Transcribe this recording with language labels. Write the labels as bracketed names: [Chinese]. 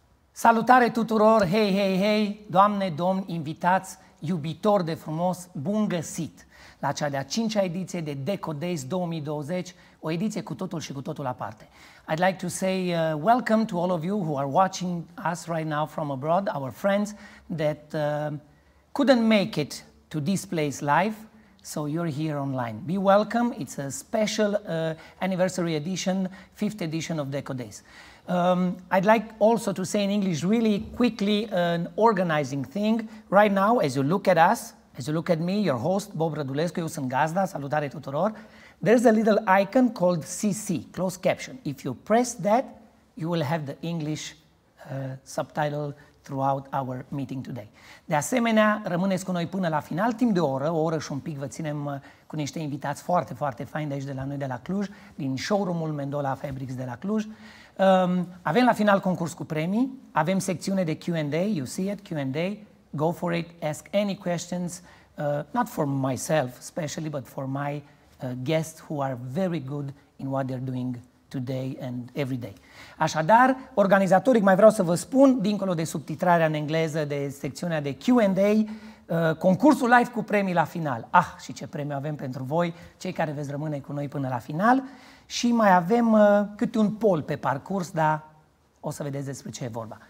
[Romanian] Salutare tuturor, hei, hei, hei, doamne, domni, invitați, iubitor de frumos, bun găsit la cea de-a cincea ediție de Deco Days 2020, o ediție cu totul și cu totul aparte. [English] I'd like to say welcome to all of you who are watching us right now from abroad, our friends that couldn't make it to this place live, so you're here online. Be welcome, it's a special anniversary edition, fifth edition of Deco Days. I'd like also to say in English really quickly an organizing thing. Right now, as you look at us, as you look at me, your host, Bob Rădulescu, [Romanian] eu sunt gazda, salutare tuturor. [English] There's a little icon called CC, closed caption. If you press that, you will have the English subtitle throughout our meeting today. [Romanian] De asemenea, rămâneți cu noi până la final, timp de oră, o oră și un pic vă ținem cu niște invitați foarte, foarte faini de aici de la noi, de la Cluj, din showroom-ul Mendola Fabrics de la Cluj. Avem la final concurs cu premii, avem secțiune de Q&A, [English] you see it, Q&A, go for it, ask any questions, not for myself especially, but for my guests who are very good in what they're doing today and every day. [Romanian] Așadar, organizatoric mai vreau să vă spun, dincolo de subtitrarea în engleză, de secțiunea de Q&A, concursul live cu premii la final. Ah, și ce premiu avem pentru voi, cei care veți rămâne cu noi până la final. Și mai avem câte un pol pe parcurs, dar o să vedeți despre ce e vorba.